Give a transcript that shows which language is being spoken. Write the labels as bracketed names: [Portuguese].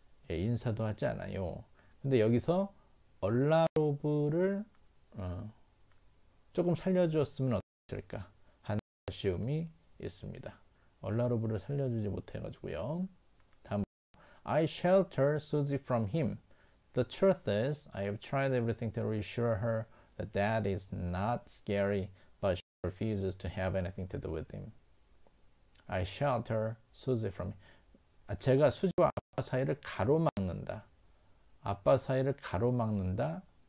[Korean] 예, 인사도 하지 않아요. 근데 여기서 얼라로브를 조금 살려주었으면 어땠을까 하는 아쉬움이 있습니다. 얼라로브를 살려주지 못해가지고요. 다음, [English] I shelter Susie from him. The truth is, I have tried everything to reassure her that dad is not scary, but she refuses to have anything to do with him. I shelter Susie from him. [Korean] 제가 수지와 아빠 사이를 가로막는다. 아빠 사이를 가로막는다.